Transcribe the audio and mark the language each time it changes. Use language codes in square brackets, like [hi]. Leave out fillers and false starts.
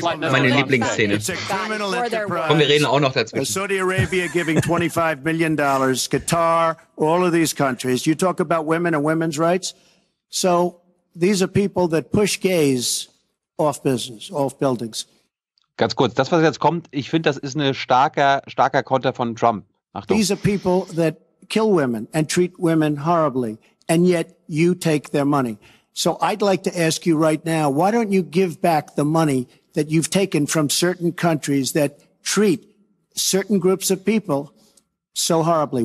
[de] meine Lieblingsszene. [en] It's a criminal enterprise. [de] Komm, wir reden auch noch dazwischen. [en] Saudi Arabia giving $25 million, Qatar, all of these countries. You talk about women and women's rights. So these are people that push gays off business, off buildings. [de] Ganz kurz, das, was jetzt kommt, ich finde, das ist ein starker Konter von Trump. Achtung. [en] These are people that kill women and treat women horribly, and yet you take their money. So I'd like to ask you right now, why don't you give back the money that you've taken from certain countries that treat certain groups of people so horribly?